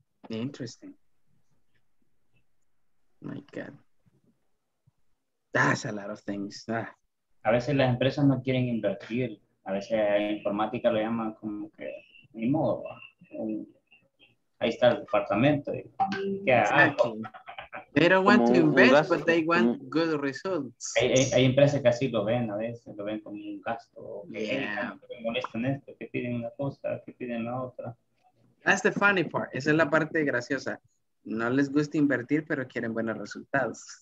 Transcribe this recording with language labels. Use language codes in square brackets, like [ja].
[en] Interesting. My God. That's a lot of things. [es] A veces las empresas no quieren invertir. A veces informática lo llaman como que ni modo. Ahí está el departamento. [en] They don't want to invest, but they want good results. [es] Hay empresas que así lo ven a veces. Lo ven como un gasto. [en] Yeah. [es] Que molestan esto. Que piden una cosa, que piden la otra. [en] That's the funny part. [es] Esa es la parte graciosa. No les gusta invertir, pero quieren buenos resultados.